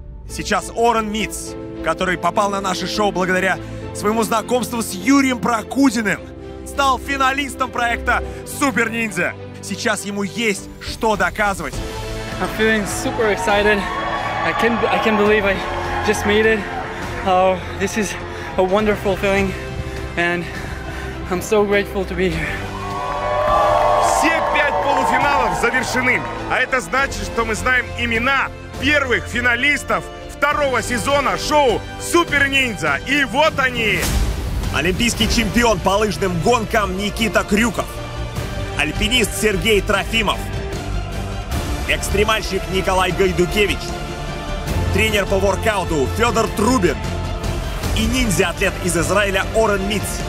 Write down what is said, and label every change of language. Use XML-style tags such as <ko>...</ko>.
<ru>Сейчас Уоррен Митц, который попал на наше шоу благодаря своему знакомству с Юрием Прокудиным, стал финалистом проекта «Супер Ниндзя». Сейчас ему есть что доказывать.</ru> <en>I'm feeling super excited. I can't believe I just made it. Oh, this is a wonderful feeling, and I'm so grateful to be here.</en> <ru>Все пять полуфиналов завершены, а это значит, что мы знаем имена первых финалистов второго сезона шоу «Супер Ниндзя». И вот они! Олимпийский чемпион по лыжным гонкам Никита Крюков, альпинист Сергей Трофимов, экстремальщик Николай Гайдукевич, тренер по воркауту Федор Трубин и ниндзя-атлет из Израиля Уоррен Митц.</ru>